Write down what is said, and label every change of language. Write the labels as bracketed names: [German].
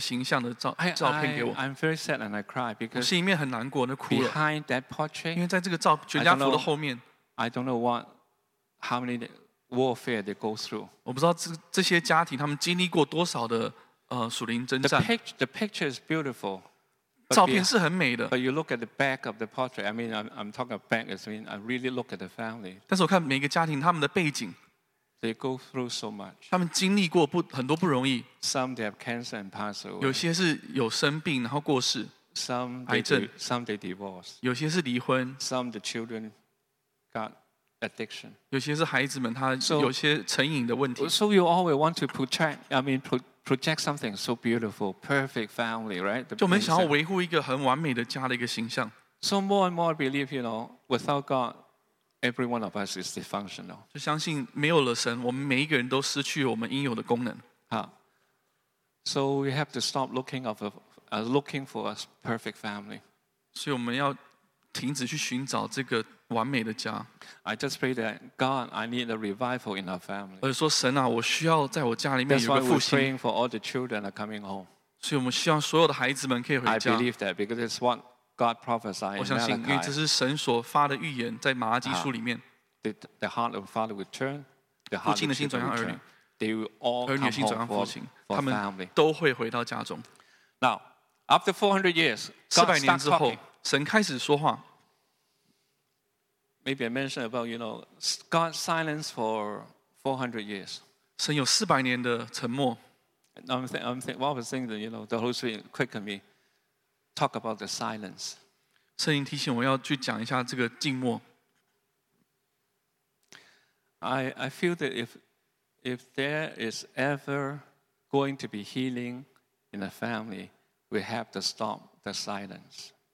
[Chinese] 我想他们就是选他们最美满的那个形象的照片给我。 [English] I'm very sad and I cry because [Chinese] 我心里面很难过, [English] behind that portrait, [Chinese] 因为在这个照, 全家福的后面, [English] I don't know how many warfare they go through. [Chinese] 我不知道这些家庭他们经历过多少的 属灵征战。 [English] The picture is beautiful. [Chinese] 照片是很美的, [English] but you look at the back of the portrait. I mean, I'm talking about back. I mean, I really look at the family. [Chinese] 但是我看每个家庭他们的背景, [English] they go through so much. [Chinese] 他们经历过很多不容易. [English] Some they have cancer and pass away. [Chinese] 有些是有生病然后过世. [English] Some they divorce. [Chinese] 有些是离婚. [English] Some the children got addiction. [Chinese] 有些是孩子们他有些成瘾的问题. [English] So you always want to protect. I mean, project something so beautiful, perfect family, right? [Chinese] 就我们想要维护一个很完美的家的一个形象。 [English] So more and more, I believe, you know, without God, every one of us is dysfunctional. [Chinese] 就相信没有了神, 我们每一个人都失去我们应有的功能。 [English] So we have to stop looking for a perfect family. [Chinese] 所以我们要停止去寻找这个完美的家。 [English] I just pray that God, I need a revival in our family. [Chinese] 而说神啊, 我需要在我家里面有个复兴。 [English] That's why we're praying for all the children are coming home. [Chinese] 所以我们希望所有的孩子们可以回家。 [English] I believe that because it's what God prophesied in Malachi. [Chinese] 我相信因为这是神所发的预言在马拉基书里面。 [English] The heart of the father will turn, the heart of the children will turn. They will all come home for family. [Chinese] 他们都会回到家中。 [English] Now, after 400 years, God starts talking. [Chinese] 神开始说话。 [English] Maybe I mentioned about, you know, God's silence for 400 years. [Chinese] 神有400年的沉默。 [English] I'm thinking, you know, the Holy Spirit quickened me. Talk about the silence. [Chinese] 圣灵提醒我要去讲一下这个静默。 [English] I feel that if there is ever going to be healing in a family, we have to stop the silence.